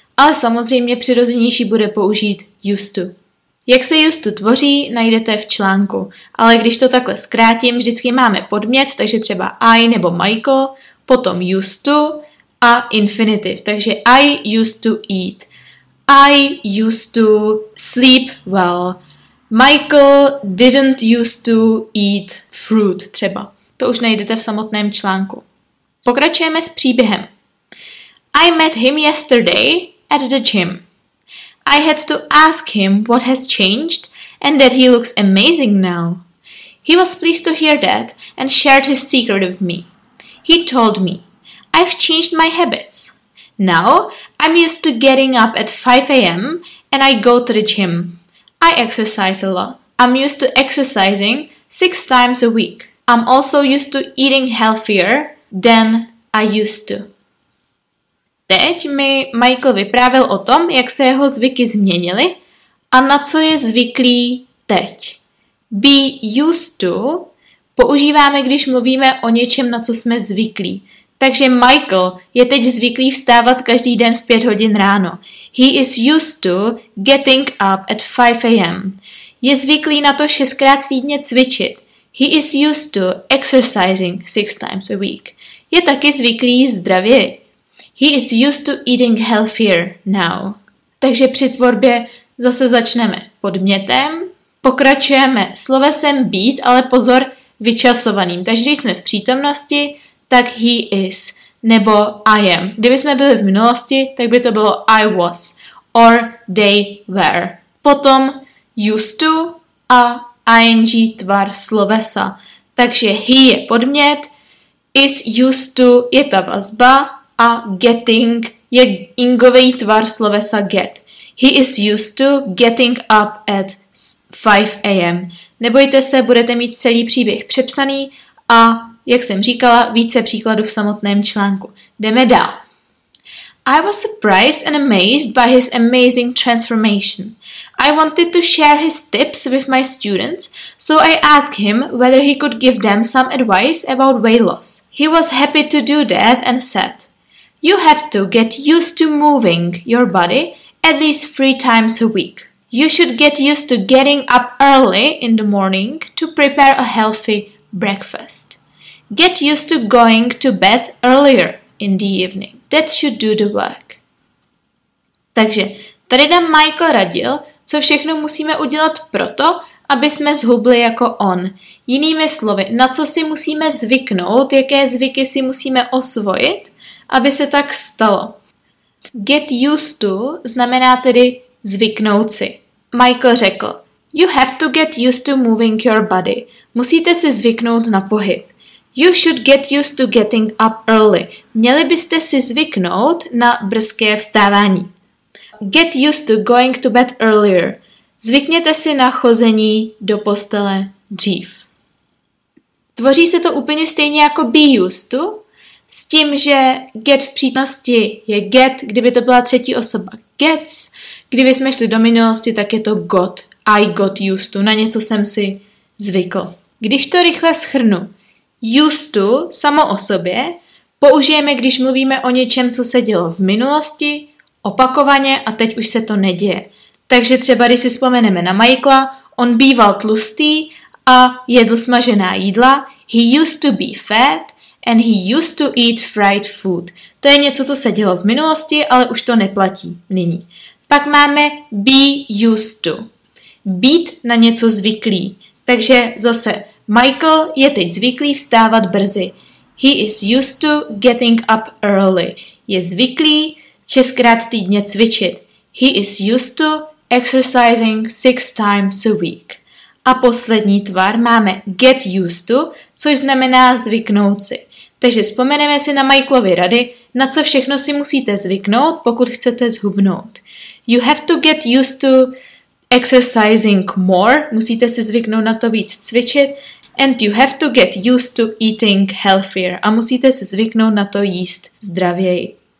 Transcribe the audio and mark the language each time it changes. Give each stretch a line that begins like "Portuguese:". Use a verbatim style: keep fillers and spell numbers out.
Czech: Ale samozřejmě přirozenější bude použít used to. Jak se used to tvoří, najdete v článku, ale když to takhle zkrátím, vždycky máme podmět, takže třeba I nebo Michael, potom used to a infinitiv, takže
English: I used to eat, I used to sleep well, Michael didn't used to eat fruit
Czech: třeba. To už najdete v samotném článku. Pokračujeme s příběhem.
English: I met him yesterday at the gym. I had to ask him what has changed and that he looks amazing now. He was pleased to hear that and shared his secret with me. He told me, I've changed my habits. Now I'm used to getting up at five a.m. and I go to the gym. I exercise a lot. I'm used to exercising six times a week. I'm also used to eating healthier than I used to.
Czech: Teď mi Michael vyprávěl o tom, jak se jeho zvyky změnily a na co je zvyklý teď. Be used to používáme, když mluvíme o něčem, na co jsme zvyklí. Takže Michael je teď zvyklý vstávat každý den v pět hodin ráno.
English: He is used to getting up at five a.m.
Czech: Je zvyklý na to šestkrát týdně cvičit.
English: He is used to exercising six times a week.
Czech: Je taky zvyklý zdravě.
English: He is used to eating healthier now.
Czech: Takže při tvorbě zase začneme podmětem, pokračujeme slovesem být, ale pozor, vyčasovaným. Takže když jsme v přítomnosti, tak
English: he is,
Czech: nebo
English: I am.
Czech: Kdyby jsme byli v minulosti, tak by to bylo
English: I was, or they were.
Czech: Potom used to a ing tvar slovesa. Takže he je podmět, is used to je ta vazba, a getting je ingový tvar slovesa get.
English: He is used to getting up at five a.m.
Czech: Nebojte se, budete mít celý příběh přepsaný a, jak jsem říkala, více příkladů v samotném článku. Jdeme dál.
English: I was surprised and amazed by his amazing transformation. I wanted to share his tips with my students, so I asked him whether he could give them some advice about weight loss. He was happy to do that and said, "You have to get used to moving your body at least three times a week. You should get used to getting up early in the morning to prepare a healthy breakfast. Get used to going to bed earlier in the evening. That should do the work."
Czech: Takže tady nám Michael radil, co všechno musíme udělat proto, aby jsme zhubli jako on. Jinými slovy, na co si musíme zvyknout, jaké zvyky si musíme osvojit, aby se tak stalo. Get used to znamená tedy zvyknout si. Michael řekl,
English: "You have to get used to moving your body."
Czech: Musíte si zvyknout na pohyb.
English: "You should get used to getting up early."
Czech: Měli byste si zvyknout na brzké vstávání.
English: Get used to going to bed earlier.
Czech: Zvykněte si na chození do postele dřív. Tvoří se to úplně stejně jako be used to, s tím, že get v přítomnosti je get, kdyby to byla třetí osoba gets, kdyby jsme šli do minulosti, tak je to got.
English: I got used to,
Czech: na něco jsem si zvykl. Když to rychle shrnu, used to samo o sobě použijeme, když mluvíme o něčem, co se dělo v minulosti, opakovaně a teď už se to neděje. Takže třeba, když si vzpomeneme na Michaela, on býval tlustý a jedl smažená jídla.
English: He used to be fat and he used to eat fried food.
Czech: To je něco, co se dělo v minulosti, ale už to neplatí nyní. Pak máme be used to. Být na něco zvyklý. Takže zase Michael je teď zvyklý vstávat brzy.
English: He is used to getting up early.
Czech: Je zvyklý šestkrát týdně cvičit.
English: He is used to exercising six times a week.
Czech: A poslední tvar máme get used to, což znamená zvyknout si. Takže vzpomeneme si na Michaelovy rady, na co všechno si musíte zvyknout, pokud chcete zhubnout.
English: You have to get used to exercising more,
Czech: musíte si zvyknout na to víc cvičit,
English: and you have to get used to eating healthier
Czech: a musíte si zvyknout na to jíst zdravěji.